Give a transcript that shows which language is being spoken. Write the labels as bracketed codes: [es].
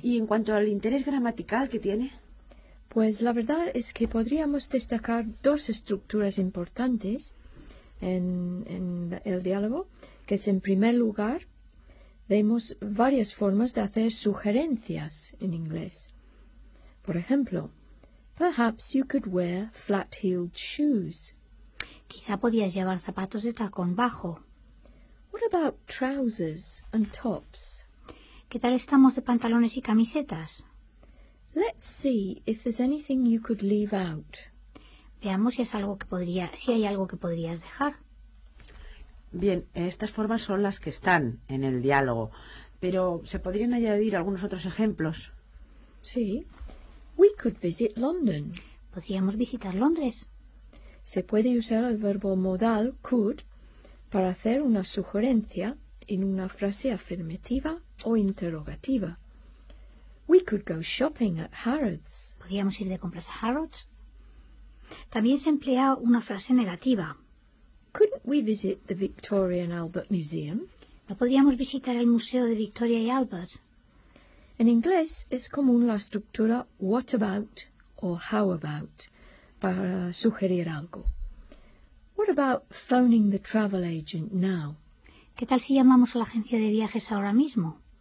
[es] ¿Y en cuanto al interés gramatical que tiene? Pues la verdad es que podríamos destacar dos estructuras importantes en el diálogo, que es, en primer lugar, vemos varias formas de hacer sugerencias en inglés. Por ejemplo, [en] perhaps you could wear flat-heeled shoes. [es] Quizá podías llevar zapatos de tacón bajo. [en] What about trousers and tops? [es] ¿Qué tal estamos de pantalones y camisetas? [en] Let's see if there's anything you could leave out. [es] Veamos si hay algo que podrías dejar. Bien, estas formas son las que están en el diálogo, pero ¿se podrían añadir algunos otros ejemplos? [en] Sí. We could visit London. [es] Podríamos visitar Londres. Se puede usar el verbo modal could para hacer una sugerencia en una frase afirmativa o interrogativa. [en] We could go shopping at Harrods. [es] Podríamos ir de compras a Harrods. También se emplea una frase negativa. [en] Couldn't we visit the Victoria and Albert Museum? [es] ¿No podríamos visitar el Museo de Victoria y Albert? En inglés es común la estructura what about o how about para sugerir algo. [en] What about phoning the travel agent now? [es] ¿Qué tal si llamamos a la agencia de viajes ahora mismo?